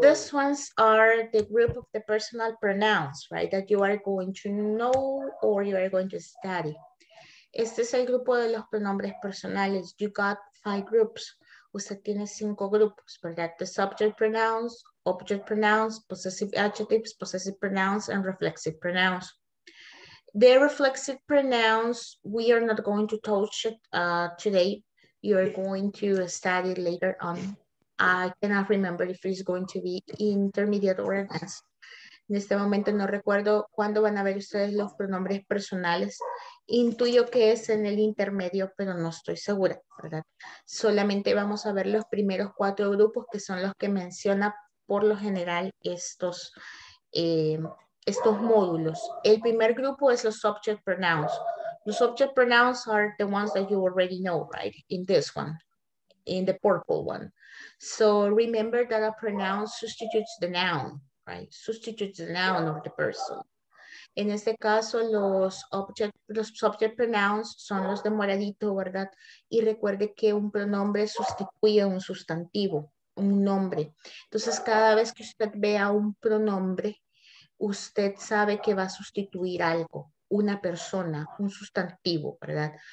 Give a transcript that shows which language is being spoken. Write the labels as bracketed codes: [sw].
[en] These ones are the group of the personal pronouns, right? That you are going to know or you are going to study. [es] Este es el grupo de los pronombres personales. [en] You got 5 groups. [es] Usted tiene 5 grupos, ¿verdad? [en] The subject pronouns, object pronouns, possessive adjectives, possessive pronouns, and reflexive pronouns. The reflexive pronouns, we are not going to touch it today. You are going to study later on. I cannot remember if it's going to be intermediate or advanced. [es] En este momento no recuerdo cuándo van a ver ustedes los pronombres personales. Intuyo que es en el intermedio, pero no estoy segura, ¿verdad? Solamente vamos a ver los primeros 4 grupos que son los que menciona por lo general estos módulos. El primer grupo es los subject pronouns. [en] Los subject pronouns are the ones that you already know, right? In this one, in the purple one. So remember that a pronoun substitutes the noun, right? Substitutes the noun of the person. [es] En este caso, los subject pronouns son los de moradito, ¿verdad? Y recuerde que un pronombre sustituye un sustantivo, un nombre. Entonces, cada vez que usted vea un pronombre, usted sabe que va a sustituir algo, una persona, un sustantivo, ¿verdad?